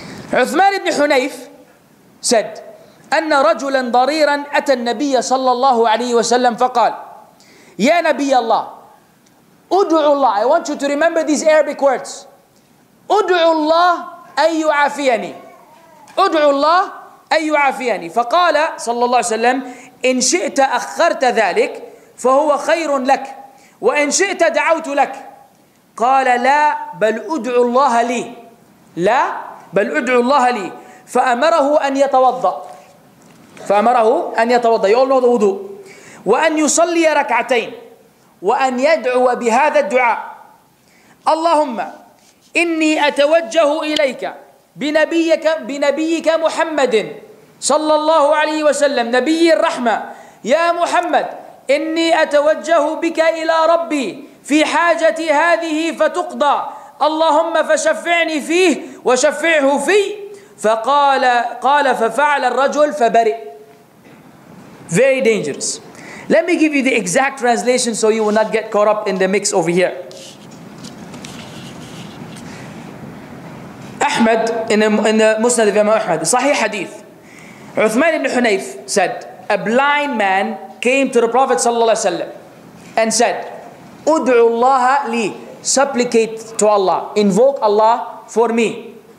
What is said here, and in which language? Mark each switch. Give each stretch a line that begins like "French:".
English: Uthman ibn Hunayf said,
Arabic: أن رجلا ضريرا أتى النبي صلى الله عليه وسلم فقال يا نبي الله أدعو الله.
English: I want you to remember these Arabic words.
Arabic: أدعو الله أن يعافيني. أدعو الله أن يعافيني. فقال صلى الله عليه وسلم إن شئت أخرت ذلك فهو خير لك وإن شئت دعوت لك قال لا بل أدعو الله لي لا بل أدعو الله لي فأمره أن يتوضأ
English: you all know the wudu
Arabic: وأن يصلي ركعتين وأن يدعو بهذا الدعاء اللهم إني أتوجه إليك بنبيك محمد صلى الله عليه وسلم نبي الرحمة يا محمد إني أتوجه بك إلى ربي في حاجة هذه فتقضى اللهم فشفعني فيه وشفعه في فقال ففعل الرجل فبرئ.
English: Very dangerous. Let me give you the exact translation so you will not get caught up in the mix over here. Ahmed in the Musnad of Imam Ahmad, Sahih Hadith. Uthman ibn Hunayf said, a blind man came to the Prophet and said,
Arabic: Ud'u Allah li,
English: supplicate to Allah, invoke Allah for me.